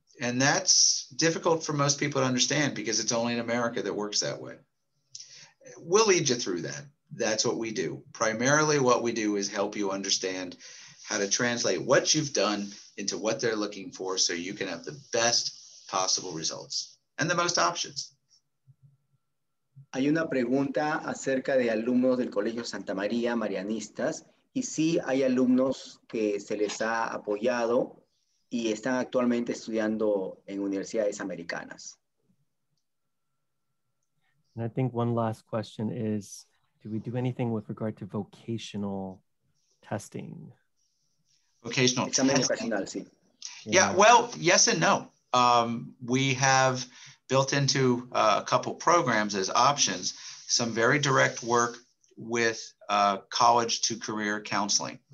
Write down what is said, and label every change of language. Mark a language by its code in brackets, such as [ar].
[en] And that's difficult for most people to understand because it's only in America that works that way. We'll lead you through that. That's what we do. Primarily what we do is help you understand how to translate what you've done into what they're looking for so you can have the best possible results and the most options. [es] Hay una pregunta acerca de alumnos del Colegio Santa María Marianistas. Y sí, hay alumnos que se les ha apoyado y están actualmente estudiando en universidades americanas. [en] And I think one last question is, do we do anything with regard to vocational testing? Vocational testing. [es] Examen vocacional, sí. [en] Yeah, well, yes and no. We have built into a couple programs as options, some very direct work with college to career counseling.